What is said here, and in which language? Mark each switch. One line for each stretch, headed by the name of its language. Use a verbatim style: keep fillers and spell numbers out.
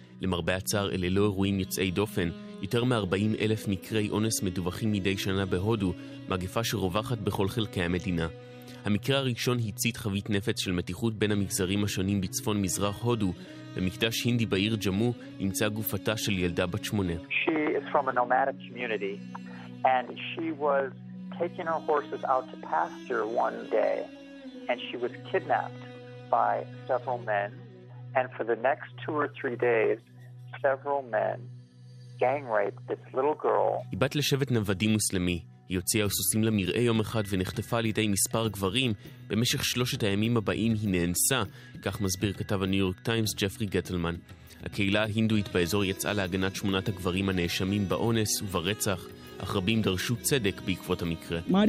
Hebrew: למרבה הצער, אלה לא אירועים יוצאי דופן. יותר מ-ארבעים אלף מקרי אונס מדווחים מדי שנה בהודו, מגפה שרווחת בכל חלקי המדינה. המקרה הראשון הצית חבית נפץ של מתיחות בין המגזרים השונים בצפון מזרח הודו. במקדש הינדי בעיר ג'מו נמצא גופתה של ילדה בת שמונה.
English: She is from a nomadic community and she was taking her horses out to pasture one day, and she was kidnapped by several men, and for the next two or three days, several men gang raped this little girl.
Hebrew: היא בת לשבט נוודי מוסלמי. היא הוציאה סוסים למרעה יום אחד ונחטפה על ידי מספר גברים. במשך שלושת הימים הבאים היא נאנסה, כך מסביר כתב הניו יורק טיימס ג'פרי גטלמן. הקהילה ההינדואית באזור יצאה להגנת שמונת הגברים הנאשמים באונס וברצח, אך רבים דרשו צדק בעקבות המקרה.